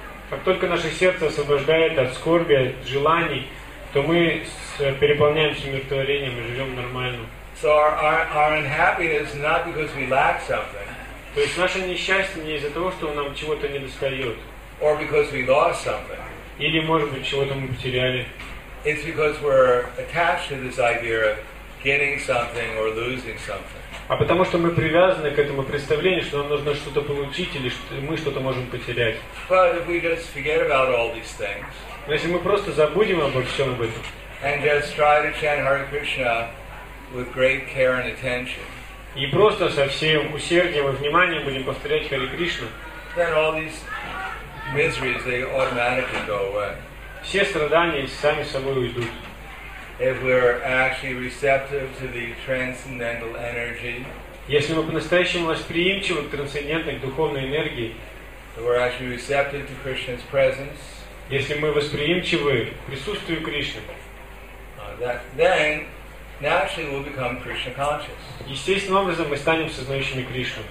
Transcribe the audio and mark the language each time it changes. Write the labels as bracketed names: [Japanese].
[Russian] Как только наше сердце освобождает от скорби, от желаний, то мы переполняемся умиротворением и живем нормально. [English] So our unhappiness is not because we lack something. [Russian] То есть наше несчастье не из-за того, что нам чего-то не достает. [English] Or because we lost something. [Russian] Или, может быть, чего-то мы потеряли. [English] It's because we're attached to this idea of getting something or losing something. [Russian] А потому что мы привязаны к этому представлению, что нам нужно что-то получить или что мы что-то можем потерять. [English] But if we just forget about all these things. [Russian] Но если мы просто забудем обо всем об этом. [English] And just try to chant Hare Krishna with great care and attention. [Russian] И просто со всем усердием и вниманием будем повторять Хари Кришну. [English] Then all these miseries they automatically go away. [Russian] Все страдания сами собой уйдут. [English] If we're actually receptive to the transcendental energy, [Russian] если мы по-настоящему восприимчивы к трансцендентной духовной энергии, [English] we're actually receptive to Krishna's presence, [Russian] если мы восприимчивы к присутствию Кришны, [English] then naturally we'll become Krishna conscious. [Russian] Естественным образом мы станем сознающими Кришну.